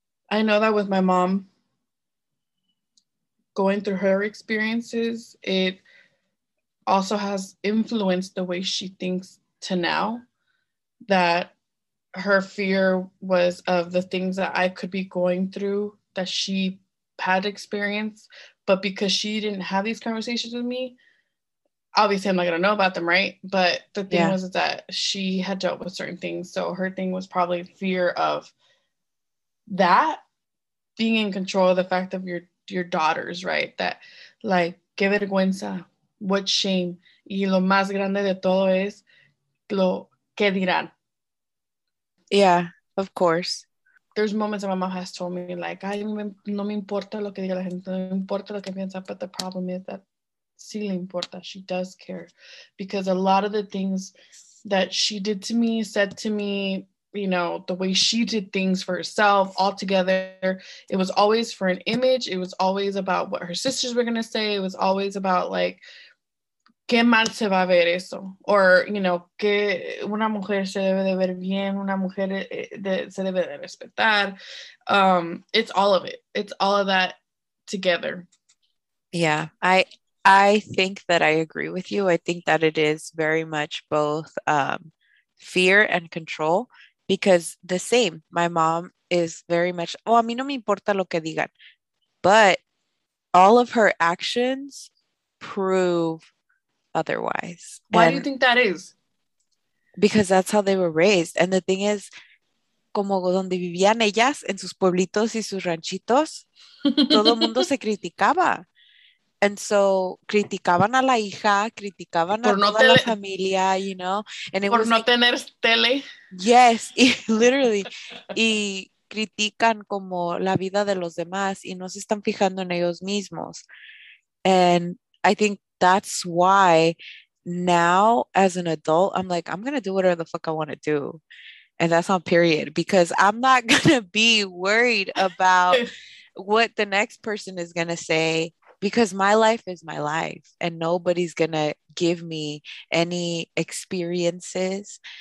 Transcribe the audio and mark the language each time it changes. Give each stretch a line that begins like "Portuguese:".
English: I know that with my mom going through her experiences, it also has influenced the way she thinks to now, that her fear was of the things that I could be going through that she had experienced, but because she didn't have these conversations with me, obviously, I'm not going to know about them, right? But the thing was that she had dealt with certain things. So her thing was probably fear of that, being in control of the fact of your daughters, right? That, qué vergüenza, what shame.
Spanish: Y lo más grande de todo es lo que dirán.
English: Yeah, of course. There's moments that my mom has told me, ay, no me importa lo que diga la gente, no me importa lo que piensa, but the problem is that sí le importa, she does care, because a lot of the things that she did to me, said to me, you know, the way she did things for herself altogether, it was always for an image. It was always about what her sisters were going to say. It was always about
Spanish: qué mal se va a ver eso, or, you know, que una mujer se debe de ver bien, una mujer se debe de respetar.
English: It's all of it. It's all of that together. Yeah, I think that I agree with you. I think that it is very much both fear and control, because the same, my mom is very much, oh, a mí no me importa lo que digan, but all of her actions prove otherwise. Why do you think that is? Because that's how they were raised.
Spanish: And the thing is, como donde vivían ellas, en sus pueblitos y sus ranchitos, todo el mundo se criticaba. And so, criticaban a la hija, criticaban por a no toda tele. La familia, you know. And it por was no like, tener tele.
English: Yes, y, literally.
Spanish: Y critican como la vida de los demás y no se están fijando en ellos mismos.
English: And I think that's why now, as an adult, I'm like, I'm going to do whatever the fuck I want to do. And that's on period. Because I'm not going to be worried about what the next person is going to say. Because my life is my life and nobody's gonna give me any experiences.